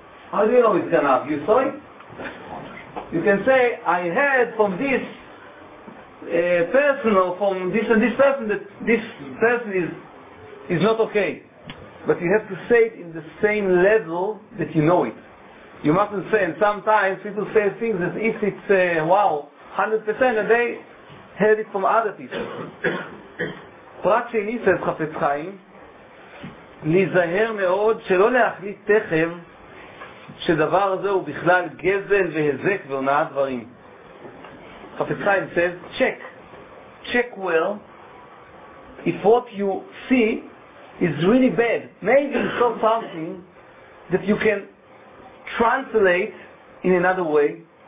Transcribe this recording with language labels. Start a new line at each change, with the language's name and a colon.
English: How do you know it's Ganav? You saw it? You can say, I heard from this person, or from this and this person, that this person is not okay. But you have to say it in the same level that you know it. You mustn't say, and sometimes people say things as if it's, 100%, and they heard it from other people.
Hebrew: פרט שני,
English: says
Hebrew: חפץ חיים, להיזהר מאוד שלא להחליט תכף שדבר הזה הוא בכלל גזל והזק והונאה דברים.
English: חפץ חיים says, check well if what you see is really bad. Maybe it's not something that you can translate in another way.